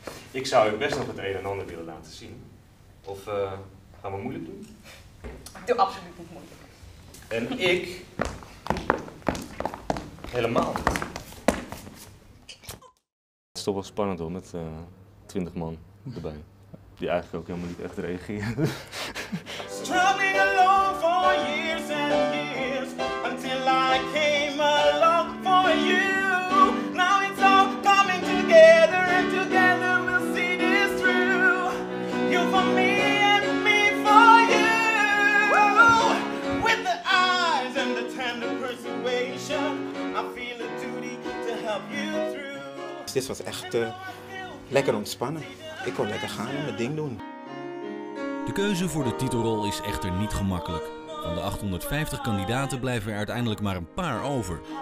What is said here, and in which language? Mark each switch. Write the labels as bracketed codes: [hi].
[nl] Ik zou u best nog het een en ander willen laten zien. Of gaan we moeilijk doen? Ik doe absoluut niet moeilijk. En ik? Helemaal. toch wel spannend hoor, met 20 man erbij. Die eigenlijk ook helemaal niet echt reageren. [en] Struggling along for years and years, until I came along for you. Now it's all coming together, and together we'll see this through. You for me and me for you. With the eyes and the tender persuasion, I feel a duty to help you through. [nl] Dit was echt lekker ontspannen. Ik kon lekker gaan en mijn ding doen. De keuze voor de titelrol is echter niet gemakkelijk. Van de 850 kandidaten blijven er uiteindelijk maar een paar over.